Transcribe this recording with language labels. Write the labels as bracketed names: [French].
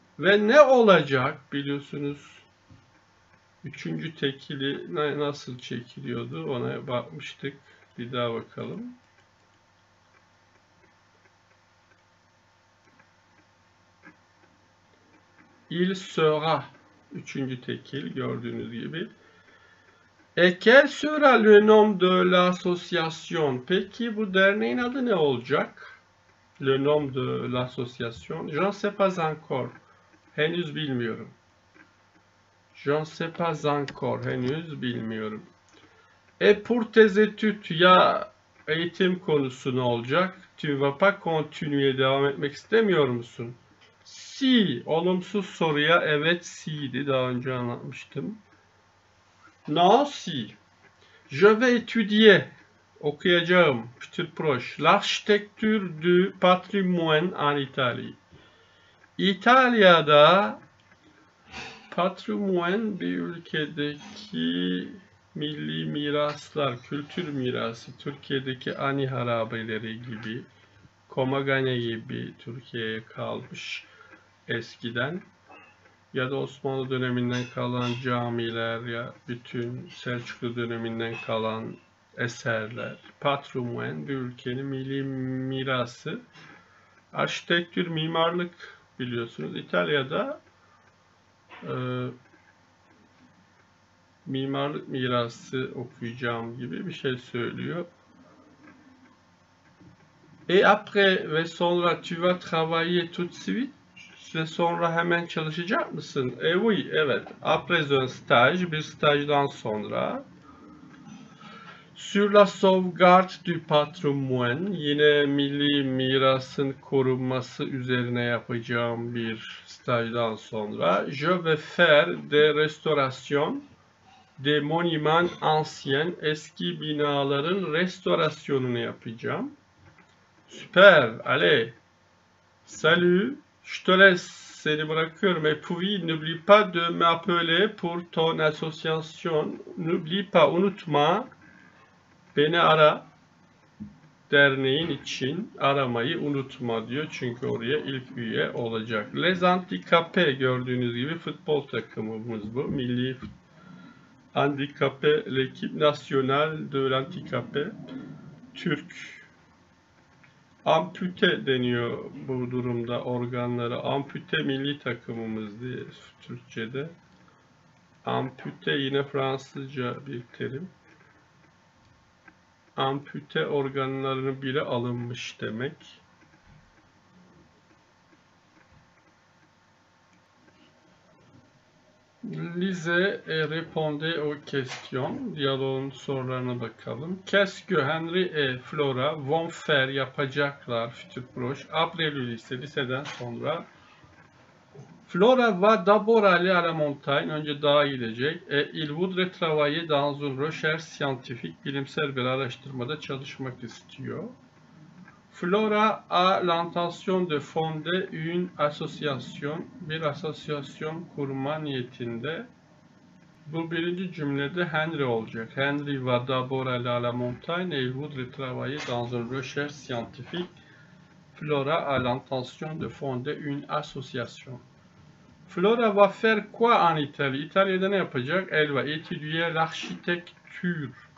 [Turkish] Ve ne olacak biliyorsunuz. Üçüncü tekili nasıl çekiliyordu ona bakmıştık. Bir daha bakalım. [French] Il sera. [Turkish] Üçüncü tekil gördüğünüz gibi. [French] Et quel sera le nom de l'association? [Turkish] Peki bu derneğin adı ne olacak? [French] Le nom de l'association. Je ne sais pas encore. [Turkish] Henüz bilmiyorum. [French] Je ne sais pas encore. [Turkish] Henüz bilmiyorum. [French] Et pour tes études, [Turkish] ya eğitim konusu ne olacak? [French] Tu ne vas pas continuer, [Turkish] devam etmek istemiyor musun? Si, olumsuz soruya evet si'ydi. Daha önce anlatmıştım. Non, si. [French] Je vais étudier. [Turkish] Okuyacağım. [French] Futur proche. L'architecture du patrimoine en Italie. [Turkish] İtalya'da patrimoine bir ülkedeki milli miraslar, kültür mirası, Türkiye'deki Ani harabeleri gibi, Komagene gibi Türkiye'ye kalmış eskiden. Ya da Osmanlı döneminden kalan camiler ya bütün Selçuklu döneminden kalan eserler. Patrimoine bir ülkenin milli mirası. Arşitektür, mimarlık biliyorsunuz. İtalya'da mimarlık mirası okuyacağım gibi bir şey söylüyor. [French] Et après [Turkish] ve sonra [French] tu vas travailler tout de suite. [Turkish] Ve sonra hemen çalışacak mısın? Oui, evet. [French] Après un stage, [Turkish] bir stajdan sonra. [French] Sur la sauvegarde du patrimoine, [Turkish] yine milli mirasın korunması üzerine yapacağım bir stajdan sonra. [French] Je vais faire de restauration des monuments anciens, [Turkish] eski binaların restorasyonunu yapacağım. [French] Süper, allez. Salut. Je te laisse, [Turkish] seni bırakıyorum. [French] Et puis, n'oublie pas de m'appeler pour ton association. N'oublie pas, [Turkish] unutma. Beni ara. Derneğin için aramayı unutma diyor. Çünkü oraya ilk üye olacak. [French] Les Handicapés, [Turkish] gördüğünüz gibi futbol takımımız bu. [French] Milli Handicapé, l'équipe nationale de l'handicapé. [Turkish] Türk. Ampute deniyor bu durumda organları. Ampute milli takımımız diye Türkçe'de. Ampute yine Fransızca bir terim. Ampute organlarını bile alınmış demek. [French] Lise répondez aux questions. [Turkish] Diyaloğun sorularına bakalım. [French] Qu'est-ce que Henri et Flora vont faire [Turkish] yapacaklar? [French] Futur proche. Après le lycée, [Turkish] liseden sonra. [French] Flora va d'abord aller à la montagne. [Turkish] Önce dağa gidecek. [French] Et il voudrait travailler dans une recherche scientifique. [Turkish] Bilimsel bir araştırmada çalışmak istiyor. [French] Flora a l'intention de fonder une association, [Turkish] bir asosyasyon kurma niyetinde. Bu birinci cümlede Henry olacak. [French] Henry va d'abord aller à la montagne et il voudrait travailler dans une recherche scientifique. Flora a l'intention de fonder une association. Flora va faire quoi en Italie? [Turkish] İtalya'da ne yapacak? [French] Elle va étudier l'architecture.